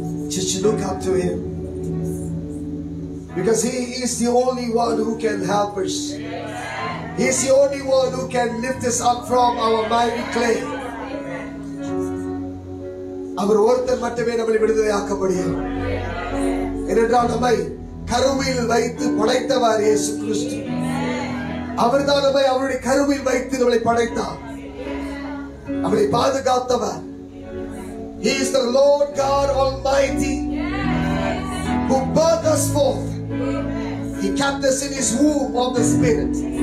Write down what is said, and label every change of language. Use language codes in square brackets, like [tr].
[en] Just look up to Him. Because He is the only one who can help us. He is the only one who can lift us up from our miry clay. [ta] அவர் ஒருத்தர் மட்டுமே நம்மளை விடுதலை ஆக்க முடியும். ஏனென்றால் நம்மை கருவில் வைத்து படைத்தவர் இயேசு கிறிஸ்து. அவர் தான் நம்மை அவருடைய கருவில் வைத்து நம்மளை படைத்தார், அவரை பாதுகாத்தவர். [en] He is the Lord God Almighty, who birthed us forth. He kept us in His womb of the Spirit.